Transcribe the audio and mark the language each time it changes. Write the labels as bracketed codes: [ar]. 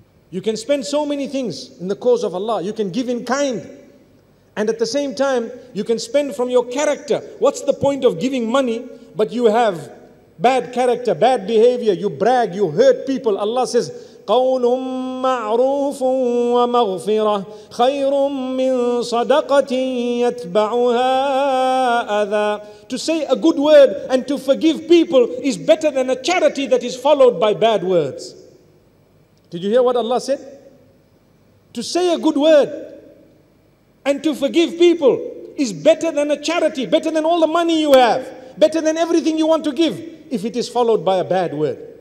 [en] You can spend so many things in the cause of Allah. You can give in kind. And at the same time, you can spend from your character. What's the point of giving money, but you have bad character, bad behavior, you brag, you hurt people. Allah says, [ar] قَوْلٌ مَعْرُوفٌ وَمَغْفِرَةٌ خَيْرٌ مِّن صَدَقَةٍ يَتْبَعُهَا أَذَى. [en] To say a good word and to forgive people is better than a charity that is followed by bad words. Did you hear what Allah said? To say a good word and to forgive people is better than a charity, better than all the money you have, better than everything you want to give, if it is followed by a bad word.